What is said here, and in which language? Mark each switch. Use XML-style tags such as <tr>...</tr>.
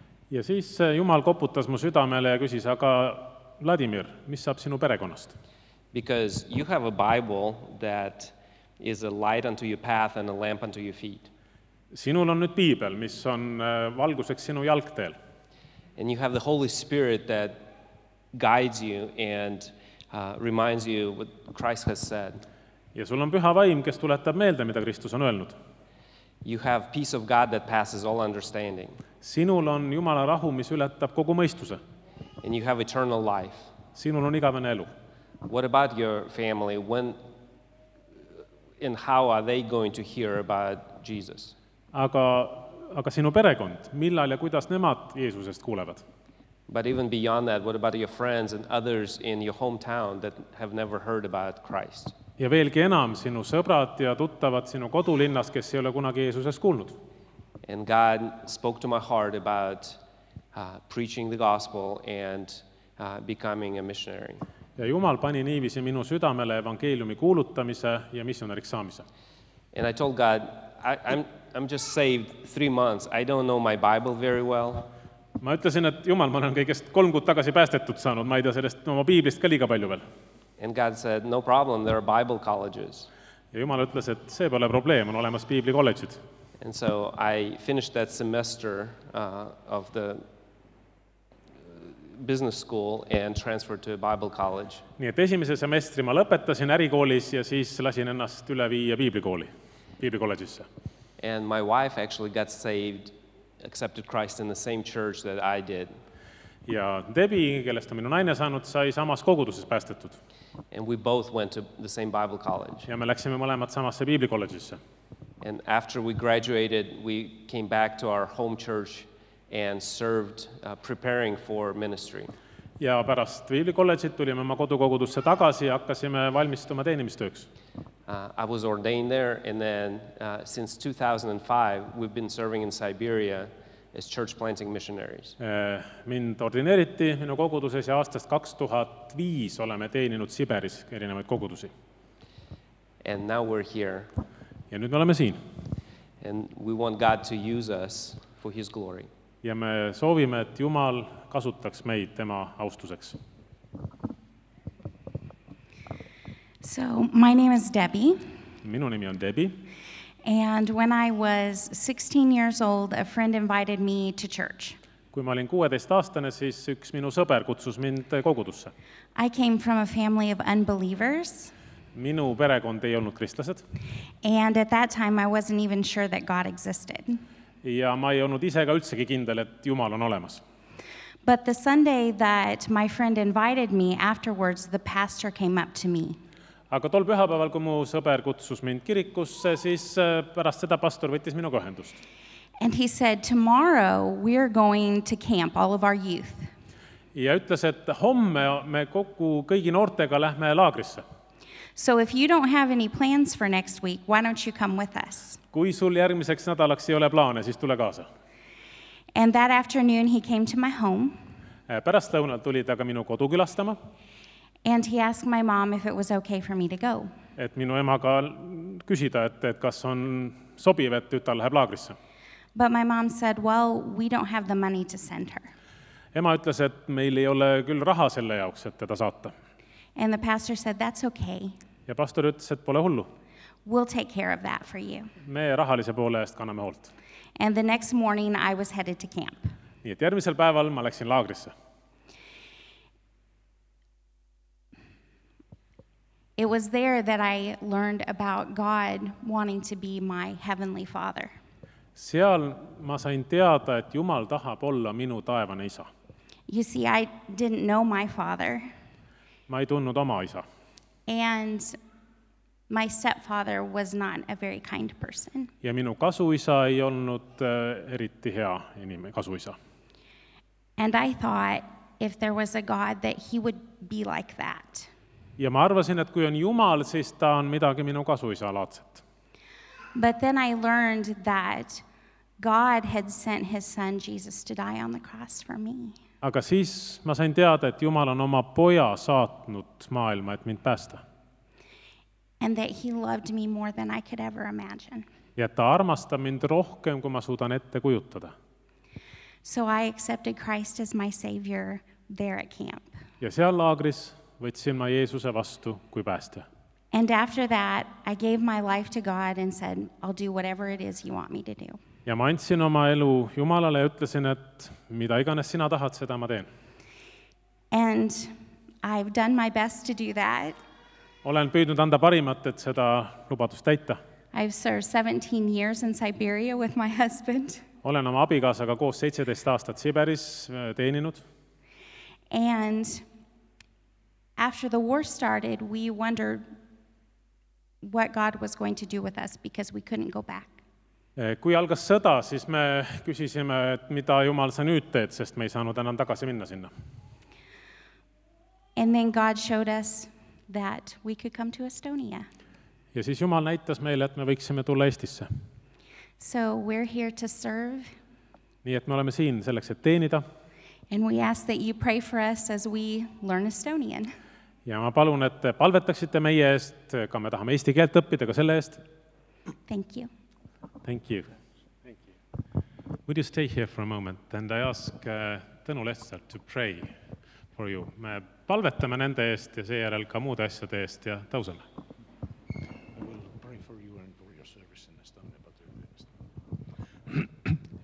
<et>Ja siis Jumal koputas mu südamele ja küsis, aga Vladimir, mis saab sinu perekonnast?</et> <en>Because you have a Bible that is a light unto your path and a lamp unto your feet.</en> <et>Sinul on nüüd piibel, mis on valguseks sinu jalgteel.</et> <en>And you have the Holy Spirit that guides you and reminds you what Christ has said.</en> <et>Ja sul on püha vaim, kes tuletab meelde, mida Kristus on öelnud.</et> <en>You have peace of God that passes all understanding.</en> <et>Sinul on Jumala rahu, mis ületab kogu mõistuse.</et> <en>And you have eternal life.</en> <et>Sinul on igavene elu.</et> <en>What about your family? When and how are they going to hear about Jesus?</en> <et>Aga sinu perekond, millal ja kuidas nemad Jeesusest kuulevad?</et> <en>But even beyond that, what about your friends and others in your hometown that have never heard about Christ?</en> <et>Ja veelgi enam sinu sõbrad ja tuttavad sinu kodulinnas, kes ei ole kunagi Jeesusest kuulnud.</et> <en>And God spoke to my heart about preaching the gospel and becoming a missionary.</en> <et>Ja Jumal pani niivisi minu südamele evangeeliumi kuulutamise ja missionäriks saamise.</et> <en>And I told God, I'm just saved 3 months. I don't know my Bible very well.</en> <et>Ma ütlesin, et Jumal, ma olen kõigest 3 kuud tagasi päästetud saanud. Ma ei tea sellest oma piiblist ka liiga palju veel.</et> <en>And God said, no problem, there are Bible colleges.</en> <et>Ja Jumal ütles, et see pole probleem, on olemas piibli kolledžid.</et> <en>And so I finished that semester of the business school and transferred to a Bible college.</en> <et>Nii et esimese semestri ma lõpetasin ärikoolis ja siis lasin ennast üle viia piiblikooli, piiblikolledžisse.</et> <en>And my wife actually got saved, accepted Christ in the same church that I did.</en> <et>Ja Debbie, kellest on minu naine saanud, sai samas koguduses päästetud.</et> <en>And we both went to the same Bible college.</en> <et>Ja me läksime mõlemad samasse piiblikolledžisse.</et> <en>And after we graduated, we came back to our home church and served preparing for ministry.</en> <et>Ja pärast piiblikolledžit tulime oma kodukogudusse tagasi ja hakkasime valmistuma teenimistööks.</et> <en>I was ordained there and then since 2005 we've been serving in Siberia as church planting missionaries.</en> <et>Mind ordineeriti minu koguduses ja aastast 2005 oleme teeninud Siberis erinevaid kogudusi.</et> <en>And now we're here.</en> <et>Ja nüüd me oleme siin.</et> <en>And we want God to use us for his glory.</en> <et>Ja me soovime, et Jumal kasutaks meid tema austuseks.</et> <en>So, my name is Debbie.</en> <et>Minu nimi on Debbie.</et> <en>And when I was 16 years old, a friend invited me to church.</en> <et>Kui ma olin 16 aastane, siis üks minu sõber kutsus mind kogudusse.</et> <en>I came from a family of unbelievers.</en> <et>Minu perekond ei olnud kristlased.</et> <en>And at that time I wasn't even sure that God existed.</en> <et>Ja ma ei olnud ise ka üldsegi kindel, et Jumal on olemas.</et> <en>But the Sunday that my friend invited me afterwards, the pastor came up to me.</en> <et>Aga tol pühapäeval, kui mu sõber kutsus mind kirikusse, siis pärast seda pastor võttis minu kohendust.</et> <en>And he said, tomorrow we are going to camp, all of our youth.</en> <et>Ja ütles, et homme me kokku kõigi noortega lähme laagrisse.</et> <en>So if you don't have any plans for next week, why don't you come with us?</en> <et>Kui sul järgmiseks nädalaks ei ole plaane, siis tule kaasa.</et> <en>And that afternoon he came to my home.</en> <et>Pärast lõunal tuli ta ka minu kodu külastama.</et> <en>And he asked my mom if it was okay for me to go.</en> <et>Et minu ema ka küsida, et kas on sobiv, et tütar läheb laagrisse.</et> <en>But my mom said, well, we don't have the money to send her.</en> <et>Ema ütles, et meil ei ole küll raha selle jaoks, et teda saata.</et> <en>And the pastor said, that's okay.</en> <et>Ja pastor ütles, et pole hullu.</et> <en>We'll take care of that for you.</en> <et>Me rahalise poole eest kanname hoolt.</et> <en>And the next morning I was headed to camp.</en> <et>Nii et järgmisel päeval ma läksin laagrisse.</et> <en>It was there that I learned about God wanting to be my heavenly father.</en> <et>Seal ma sain teada, et Jumal tahab olla minu taevane isa.</et> <en>You see, I didn't know my father.</en> <et>Ma ei tunnud oma isa.</et> <en>And my stepfather was not a very kind person.</en> <et>Ja minu kasuisa ei olnud eriti hea inimene, kasuisa.</et> <en>And I thought if there was a God that he would be like that.</en> <et>Ja ma arvasin, et kui on Jumal, siis ta on midagi minu kasuisa laadset.</et> <en>But then I learned that God had sent his son Jesus to die on the cross for me.</en> <et>Aga siis ma sain teada, et Jumal on oma poja saatnud maailma, et mind päästa.</et> <en>And that he loved me more than I could ever imagine.</en> <et>Ja ta armastab mind rohkem, kui ma suudan ette kujutada.</et> <en>So I accepted Christ as my savior there at camp.</en> <et>Ja seal laagris võtsin ma Jeesuse vastu kui päästja.</et> <en>And after that, I gave my life to God and said, I'll do whatever it is you want me to do.</en> <et>Ja ma andsin oma elu Jumalale ja ütlesin, et mida iganes sina tahad, seda ma teen.</et> <en>And I've done my best to do that.</en> <et>Olen püüdnud anda parimat, et seda lubadust täita.</et> <en>I've served 17 years in Siberia with my husband.</en> <et>Olen oma abikaasaga koos 17 aastat Siberis teeninud.</et> <en>And after the war started, we wondered what God was going to do with us because we couldn't go back.</en> <et>Kui algas sõda, siis me küsisime, et mida Jumal sa nüüd teed, sest me ei saanud enam tagasi minna sinna.</et> <en>And then God showed us that we could come to Estonia.</en> <et>Ja siis Jumal näitas meile, et me võiksime tulla Eestisse.</et> <en>So we're here to serve.</en> <et>Nii et me oleme siin selleks, et teenida.</et> <en>And we ask that you pray for us as we learn Estonian.</en> <et>Ja ma palun, et te palvetaksite meie eest, ka me tahame eesti keelt õppida, ka selle eest.</et> <en>Thank you. Thank you. Thank you. Would you stay here for a moment and I ask Tõnu Lester to pray for you.</en> <et>Me palvetame nende eest ja seejärel ka muude asjade eest ja tausame.</et> <en>I will pray for you and for your service in Estonia, but you're in Estonia.</en>